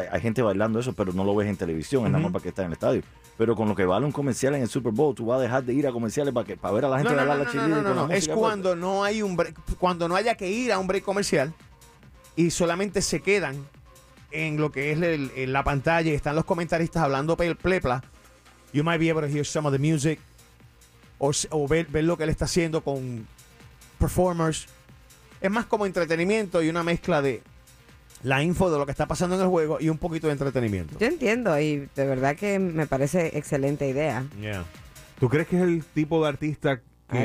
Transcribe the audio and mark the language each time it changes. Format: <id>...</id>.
<es>Hay gente bailando eso, pero no lo ves en televisión, en la mapa que está en el estadio. Pero con lo que vale un comercial en el Super Bowl, tú vas a dejar de ir a comerciales para ver a la gente bailar la cheerleader. No. Es cuando no hay un break, cuando no haya que ir a un break comercial. Y solamente se quedan en lo que es en la pantalla y están los comentaristas hablando plepla.</es> <en>You might be able to hear some of the music.</en> <es>O ver lo que él está haciendo con performers. Es más como entretenimiento y una mezcla de la info de lo que está pasando en el juego y un poquito de entretenimiento. Yo entiendo y de verdad que me parece excelente idea. ¿Tú crees que es el tipo de artista que,</es>